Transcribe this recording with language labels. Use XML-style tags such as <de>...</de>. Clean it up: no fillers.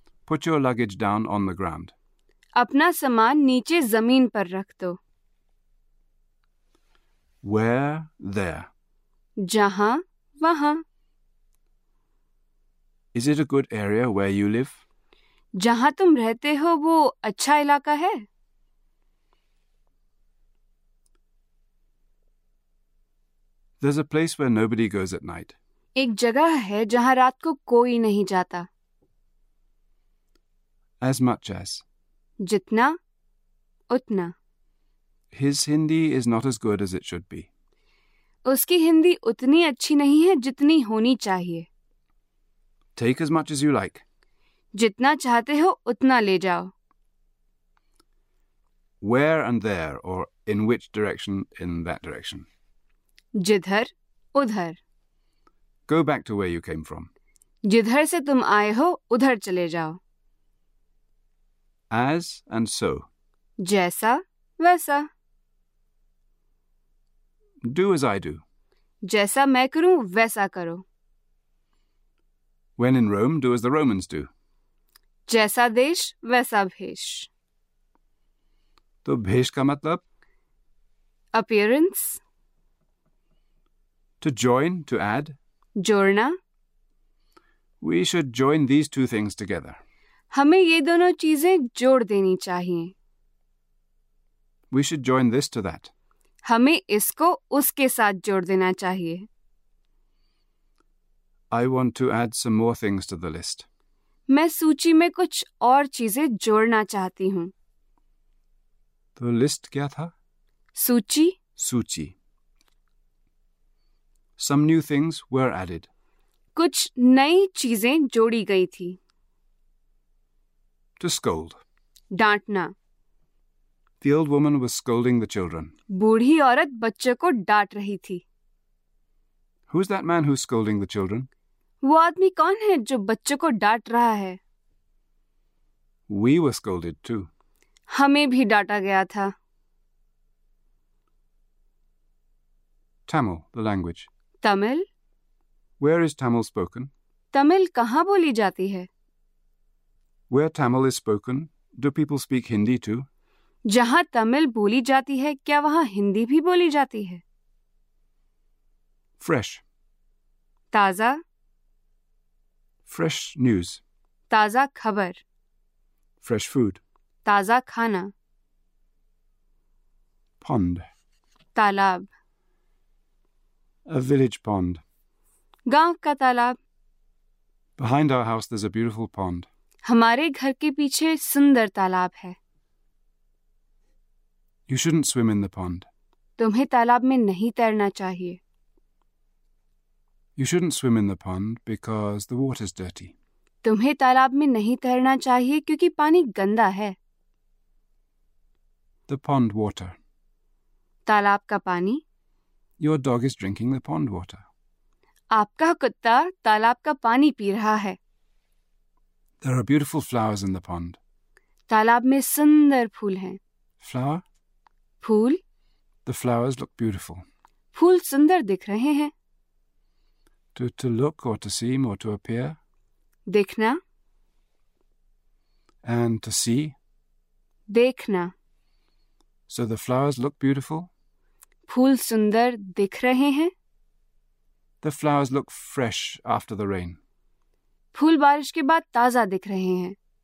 <en>Put your luggage down on the ground.</en> <hi>अपना सामान नीचे जमीन पर रख दो।</hi> <en>Where, there.</en> <hi>जहां, वहां।</hi> <en>Is it a good area where you live?</en> <hi>जहां तुम रहते हो वो अच्छा इलाका है?</hi> <en>There's a place where nobody goes at night.</en> <hi>एक जगह है जहां रात को कोई नहीं जाता।</hi> <en>As much as.</en> <hi>जितना, उतना।</hi> <en>His Hindi is not as good as it should be.</en> <hi>उसकी हिंदी उतनी अच्छी नहीं है जितनी होनी चाहिए।</hi> <en>Take as much as you like.</en> <hi>जितना चाहते हो उतना ले जाओ।</hi> <en>Where and there, or in which direction, in that direction.</en> <hi>जिधर, उधर।</hi> <en>Go back to where you came from.</en> <hi>जिधर से तुम आए हो उधर चले जाओ।</hi> <en>As and so.</en> <hi>जैसा, वैसा।</hi> <en>Do as I do.</en> <hi>जैसा मैं करूं वैसा करो।</hi> <en>When in Rome, do as the Romans do.</en> <hi>जैसा देश वैसा भेष। तो भेष का मतलब?</hi> <en>Appearance. To join, to add.</en> <hi>जोड़ना।</hi> <en>We should join these two things together.</en> <hi>हमें ये दोनों चीजें जोड़ देनी चाहिए।</hi> <en>We should join this to that.</en> <hi>हमें इसको उसके साथ जोड़ देना चाहिए।</hi> <en>I want to add some more things to the list.</en> <hi>मैं सूची में कुछ और चीजें जोड़ना चाहती हूँ। तो लिस्ट क्या था? सूची। सूची।</hi> <en>Some new things were added.</en> <hi>कुछ नई चीजें जोड़ी गई थी।</hi> <en>To scold.</en> <hi>डांटना।</hi> <en>The old woman was scolding the children.</en> <hi>बूढ़ी औरत बच्चे को डांट रही थी।</hi> <en>Who's that man who's scolding the children?</en> <hi>वो आदमी कौन है जो बच्चों को डांट रहा है?</hi> <en>We were scolded too.</en> <hi>हमें भी डांटा गया था।</hi> <en>Tamil, the language.</en> <hi>Tamil.</hi> <en>Where is Tamil spoken?</en> <hi>Tamil कहाँ बोली जाती है?</hi> <en>Where Tamil is spoken, do people speak Hindi too?</en> <hi>जहाँ तमिल बोली जाती है, क्या वहाँ हिंदी भी बोली जाती है?</hi> <en>Fresh.</en> <hi>ताज़ा.</hi> <en>Fresh news.</en> <hi>ताज़ा खबर.</hi> <en>Fresh food.</en> <hi>ताज़ा खाना.</hi> <en>Pond.</en> <hi>तालाब.</hi> <en>A village pond.</en> <hi>गांव का तालाब.</hi> <en>Behind our house there's a beautiful pond.</en> <hi>हमारे घर के पीछे सुंदर तालाब है.</hi> <en>You shouldn't swim in the pond.</en> <hi>तुम्हें तालाब में नहीं तैरना चाहिए.</hi> <en>You shouldn't swim in the pond because the water's dirty.</en> <hi>तुम्हें तालाब में नहीं तैरना चाहिए क्योंकि पानी गंदा है.</hi> <en>The pond water.</en> <hi>तालाब का पानी.</hi> <en>Your dog is drinking the pond water.</en> <hi>आपका कुत्ता तालाब का पानी पी रहा है.</hi> <en>There are beautiful flowers in the pond.</en> <hi>तालाब में सुंदर फूल हैं.</hi> <en>Flower?</en> <hi>Fool.</hi> <en>The flowers look beautiful.</en> <hi>फूल सुंदर दिख रहे हैं.</hi> <en>To look or to seem or to appear.</en> <hi>देखना.</hi> <en>And to see.</en> <hi>देखना.</hi> <en>So the flowers look beautiful.</en> <hi>फूल सुंदर दिख रहे हैं.</hi> <en>The flowers look fresh after the rain.</en> <hi>फूल बारिश के बाद ताजा दिख रहे हैं.</hi>